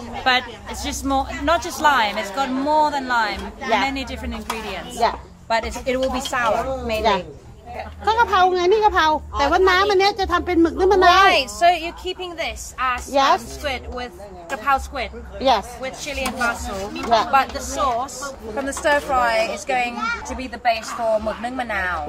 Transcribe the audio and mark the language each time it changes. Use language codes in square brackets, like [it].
[en] But it's just more, not just lime, it's got more than lime. Yeah. Many different ingredients. Yeah. But it will be sour, maybe. [th] ก็กะเพราไงนี่กะเพราแต่ว่าน้ำอันนี้จะทำเป็นหมึกนึ่งมะนาว [en] Right. So you're keeping this as squid with gapao squid. Yes. With chili and basil. Yeah. But the sauce from the stir fry is going to be the base for hmuk nung manao.